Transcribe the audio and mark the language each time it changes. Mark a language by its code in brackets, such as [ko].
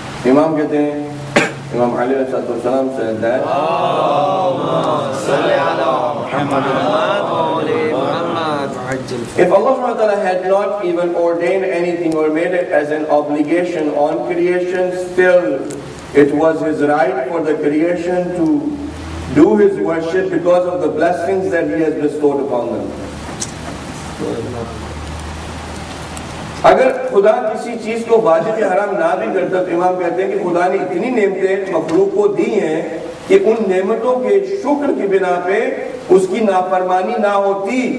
[ur] امام کہتے ہیں, امام علی علیہ الصلوۃ والسلام [en] said that [ar] اللہ صلی علی محمد وعلی محمد عجل. [en] If Allah سبحانہ وتعالی had not even ordained anything or made it as an obligation on creation, still it was his right for the creation to do his worship because of the blessings that he has bestowed upon them. [ur] اگر خدا کسی چیز کو واجب حرام نہ بھی کرتا تو امام کہتے ہیں کہ خدا نے اتنی نعمتیں مخلوق کو دی ہیں کہ ان نعمتوں کے شکر کی بنا پہ اس کی نافرمانی نہ ہوتی.